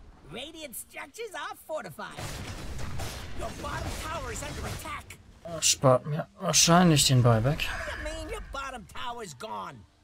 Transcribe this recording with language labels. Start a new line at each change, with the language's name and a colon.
English: Radiant structures are fortified. Your bottom tower is under attack.
German: Das spart mir wahrscheinlich den Buyback.
English: Mean your bottom tower is gone.